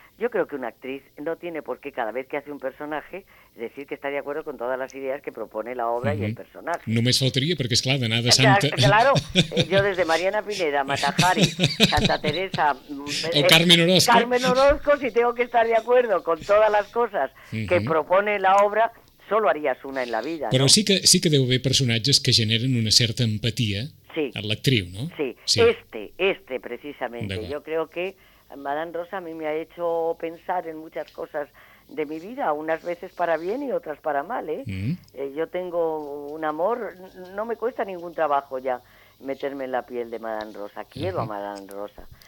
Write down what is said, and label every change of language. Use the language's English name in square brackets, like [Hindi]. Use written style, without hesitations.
[Spanish] Yo creo que una actriz no tiene por qué cada vez que hace un personaje decir que está de acuerdo con todas las ideas que propone la obra y el personaje. [Catalan] Només faltaría, [Spanish] porque es clar, de nada santa. Claro, yo desde Mariana Pineda, Matajari, Santa Teresa... O Carmen Orozco. Carmen Orozco, si tengo que estar de acuerdo con todas las cosas que propone la obra, solo harías una en la vida. [Catalan] Però [Spanish] ¿no? [Catalan] sí que deu haver personatges que generen una certa empatia a l'actriu, no? [Spanish] Sí, este precisamente. Yo creo que Madame Rosa a mí me ha hecho pensar en muchas cosas de mi vida, unas veces para bien y otras para mal, ¿eh? Yo tengo un amor, no me cuesta ningún trabajo ya meterme en la piel de Madame Rosa, quiero a Madame Rosa.